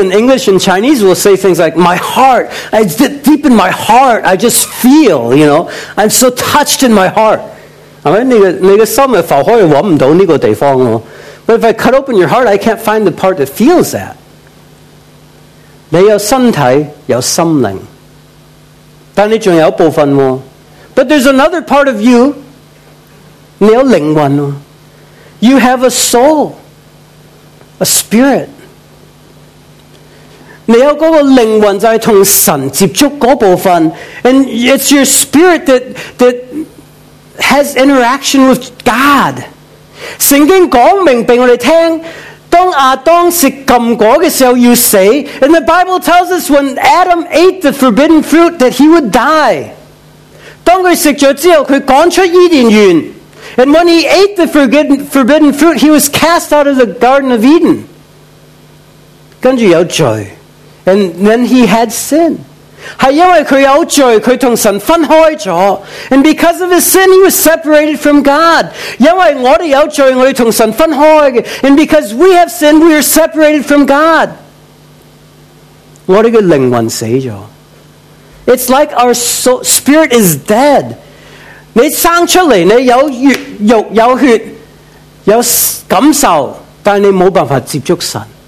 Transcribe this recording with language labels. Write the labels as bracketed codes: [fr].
[en] in English and Chinese we'll say things like, my heart, deep in my heart, I just feel, you know, I'm so touched in my heart. [zh] 你的心就浮开，找不到这个地方。 [en] But if I cut open your heart, I can't find the part that feels that. [zh] 你有身体，有心灵。但你还有一部分, [en] but there's another part of you, [zh] 你有灵魂, [en] You have a soul, a spirit. [zh] 你有那个灵魂就是跟神接触那部分, [en] and it's your spirit that has interaction with God. [zh] 圣经讲明给我们听, 当亚当吃禁果的时候要死, [en] and the Bible tells us when Adam ate the forbidden fruit that he would die. [zh] 当他吃了之后他赶出伊甸园, [en] and when he ate the forbidden fruit, he was cast out of the Garden of Eden. [zh] 跟着有罪, [en] and then he had sin. [zh] 是因为他有罪,他跟神分开了, [en] and because of his sin, he was separated from God. [zh] 因为我们有罪,我们跟神分开, [en] and because we have sinned, we are separated from God. [zh] 我们的灵魂死了, [en] it's like our soul, spirit is dead. [zh] 你生出来,你有血,有血,有感受,但你没办法接触神。